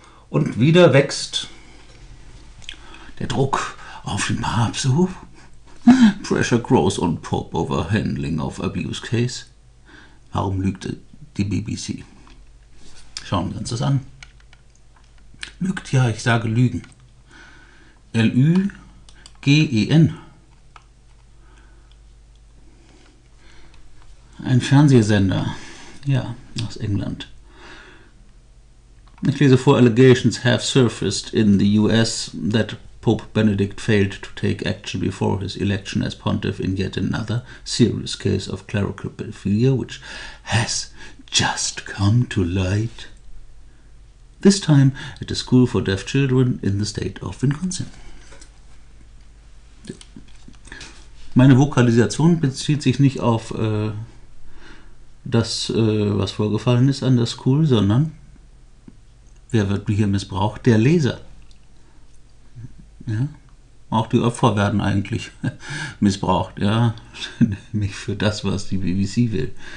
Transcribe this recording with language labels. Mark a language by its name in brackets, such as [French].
[German] Und wieder wächst der Druck auf den Papst. [English] Pressure grows on Pope over handling of abuse case. [German] Warum lügt die BBC? Schauen wir uns das an. Lügt, ja, ich sage Lügen. L-Ü-G-E-N. Ein Fernsehsender, ja, aus England. Ich lese vor, [English] allegations have surfaced in the US that Pope Benedict failed to take action before his election as pontiff in yet another serious case of clerical pedophilia, which has just come to light. This time at a school for deaf children in the state of Wisconsin. [German] Meine Vokalisation bezieht sich nicht auf das, was vorgefallen ist an der School, sondern wer wird hier missbraucht? Der Leser. Ja? Auch die Opfer werden eigentlich missbraucht, ja, nämlich für das, was die BBC will.